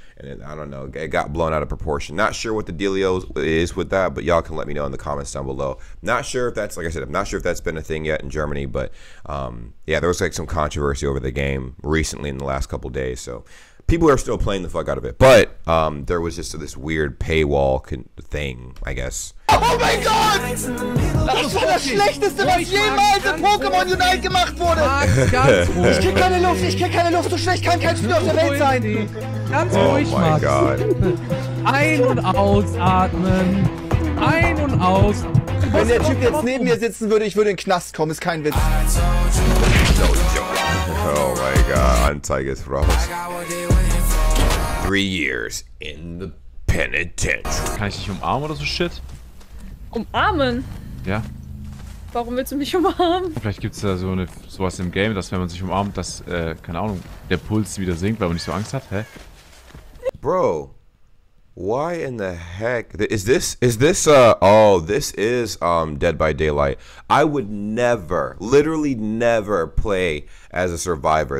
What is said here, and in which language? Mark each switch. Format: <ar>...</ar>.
<en>And then, I don't know, it got blown out of proportion. Not sure what the dealio is with that, but y'all can let me know in the comments down below. Not sure if that's, like I said, I'm not sure if that's been a thing yet in Germany, but yeah, there was like some controversy over the game recently in the last couple days, so people are still playing the fuck out of it. But there was just this weird paywall thing, I guess.</en> <de>Oh mein Gott! Das war das Schlechteste, was jemals in Pokémon Unite gemacht wurde! Ich krieg keine Luft, so schlecht kann kein Spiel auf der Welt sein! Ganz ruhig, Max! Oh mein Gott! Ein- und ausatmen! Ein- und aus! Wenn der Typ jetzt neben mir sitzen würde, ich würde in den Knast kommen, ist kein Witz! Oh mein Gott, Anzeige ist raus!</de> <en>3 years in the penitentiary!</en> <de>Kann ich dich umarmen oder so shit? Umarmen? Ja. Warum willst du mich umarmen? Vielleicht gibt es da sowas im Game, dass wenn man sich umarmt, dass, keine Ahnung, der Puls wieder sinkt, weil man nicht so Angst hat, hä?</de> <en>bro, why in the heck is this Dead by Daylight. I would never, literally never play as a survivor.</en>